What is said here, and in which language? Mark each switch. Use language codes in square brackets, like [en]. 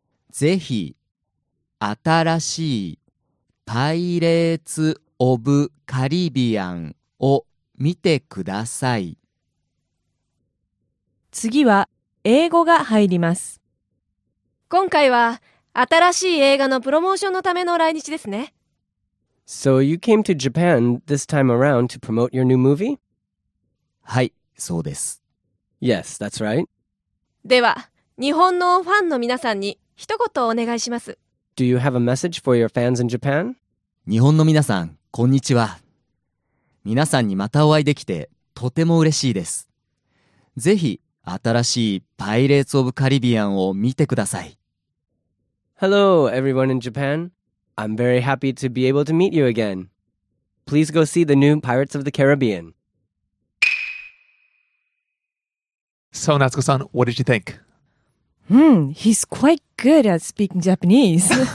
[ja] ぜひ、新しいパイレーツ・オブ・カリビアンを見てください。次は英語が入ります。今回は、新しい映画のプロモーションのための来日ですね。 [en] So you came to Japan this time around to promote your new movie? [ja] はい、そうです。 [en] Yes, that's right. [ja] では、日本のファンの皆さんに一言お願いします。 [en] Do you have a message for your fans in Japan? [ja] 日本の皆さん、こんにちは。皆さんにまたお会いできてとても嬉しいです。ぜひ、新しいパイレーツ・オブ・カリビアンを見てください。 [en] Hello, everyone in Japan. I'm very happy to be able to meet you again. Please go see the new Pirates of the Caribbean. So, Natsuko-san, what did you think? He's quite good at speaking Japanese.